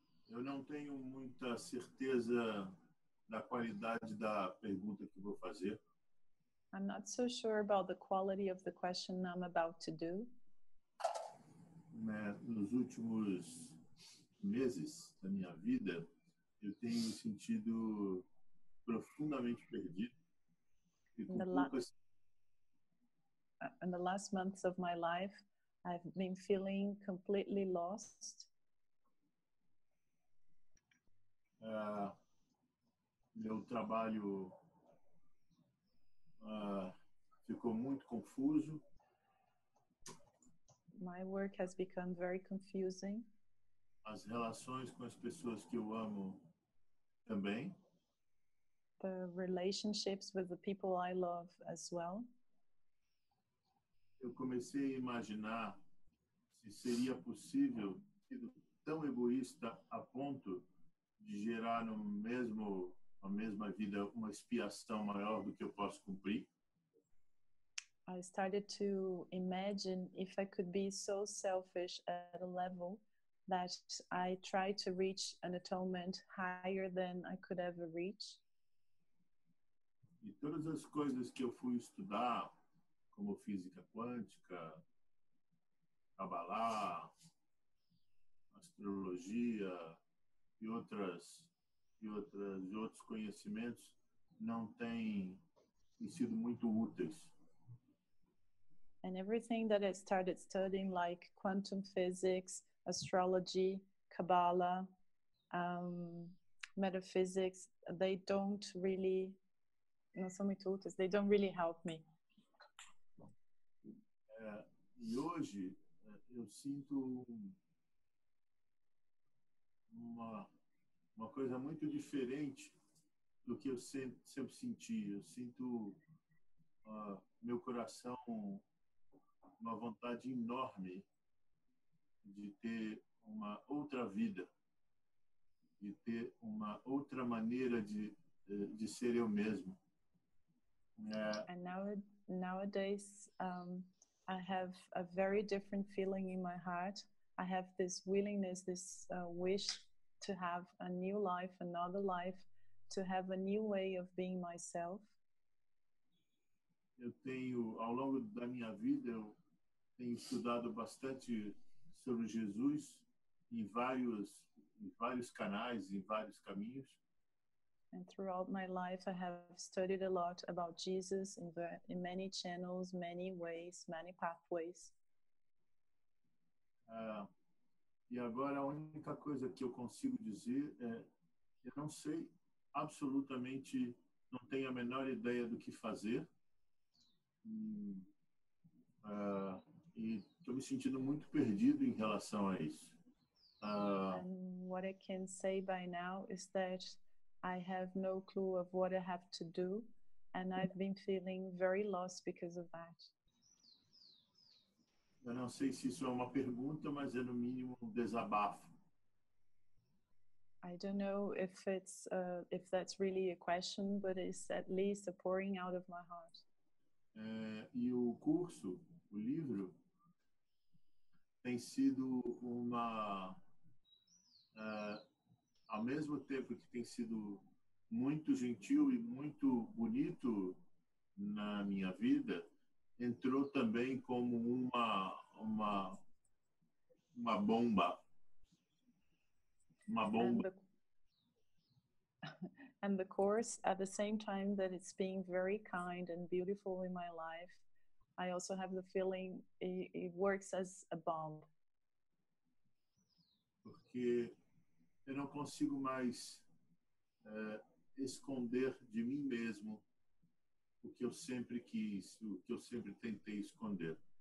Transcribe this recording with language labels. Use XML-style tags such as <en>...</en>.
<pt>Eu não tenho muita certeza da qualidade da pergunta que vou fazer.</pt> <en>I'm not so sure about the quality of the question I'm about to do.</en> <pt>Nos últimos meses da minha vida, eu tenho me sentido profundamente perdido.</pt> <en>In the last months of my life, I've been feeling completely lost.</en> <pt>Meu trabalho ficou muito confuso.</pt> <en>My work has become very confusing.</en> <pt>As relações com as pessoas que eu amo também.</pt> <en>The relationships with the people I love as well.</en> <pt>Eu comecei a imaginar se seria possível ser tão egoísta a ponto de gerar no mesmo a mesma vida uma expiação maior do que eu posso cumprir.</pt> <en>I started to imagine if I could be so selfish at a level that I try to reach an atonement higher than I could ever reach.</en> <pt>E todas as coisas que eu fui estudar, como física quântica, Kabbalah, astrologia e outros conhecimentos, não têm sido muito úteis.</pt> <en>And everything that I started studying, like quantum physics, astrology, Kabbalah, metaphysics, they don't really,</en> <pt>não são muito úteis,</pt> <en>they don't really help me.</en> <pt>E hoje eu sinto uma coisa muito diferente do que eu sempre senti. Eu sinto meu coração, uma vontade enorme de ter uma outra vida, de ter uma outra maneira de ser eu mesmo.</pt> <en>And nowadays, I have a very different feeling in my heart. I have this willingness, this wish to have a new life, another life, to have a new way of being myself.</en> <pt>Eu tenho, ao longo da minha vida, eu tenho estudado bastante sobre Jesus em vários canais, em vários caminhos.</pt> <en>And throughout my life, I have studied a lot about Jesus in many channels, many ways, many pathways.</en> <pt>E agora a única coisa que eu consigo dizer é que eu não sei absolutamente, não tenho a menor ideia do que fazer. E estou me sentindo muito perdido em relação a isso.</pt> <en>And what I can say by now is that I have no clue of what I have to do, and I've been feeling very lost because of that.</en> <pt>Eu não sei se isso é uma pergunta, mas é no mínimo desabafo.</pt> <en>I don't know if it's if that's really a question, but it's at least a pouring out of my heart.</en> <pt>E o curso, o livro, tem sido uma ao mesmo tempo que tem sido muito gentil e muito bonito na minha vida, entrou também como uma bomba. Uma bomba.</pt> <en>And the course, at the same time that it's being very kind and beautiful in my life, I also have the feeling it works as a bomb.</en> <pt>Porque eu não consigo mais esconder de mim mesmo o que eu sempre quis, o que eu sempre tentei esconder.</pt>